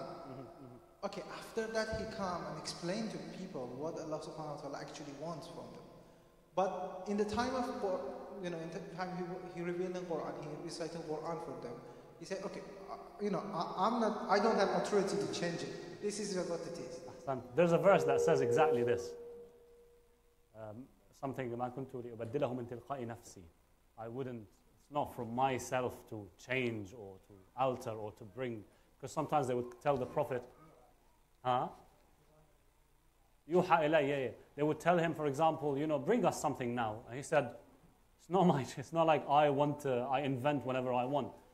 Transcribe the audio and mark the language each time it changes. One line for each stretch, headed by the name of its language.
English: Mm-hmm, mm-hmm. Okay, after that he come and explain to people what Allah subhanahu wa ta'ala actually wants from them. But in the time of, in the time he revealed the Quran, he recited the Quran for them, he say, okay, I don't have authority to change it. This is what it is. And there's a verse that says exactly this.
Arabic: Something, مَا كُنْتُ لِأُبَدِّلَهُ مِنْ تِلْقَاءِ نَفْسِي.
English: I wouldn't, it's not from myself to change or to alter or to bring. Because sometimes they would tell the Prophet,
Arabic: يُوحَى إِلَيْهِ
English: They would tell him, for example, bring us something now. And he said, it's not like I want to, I invent whenever I want.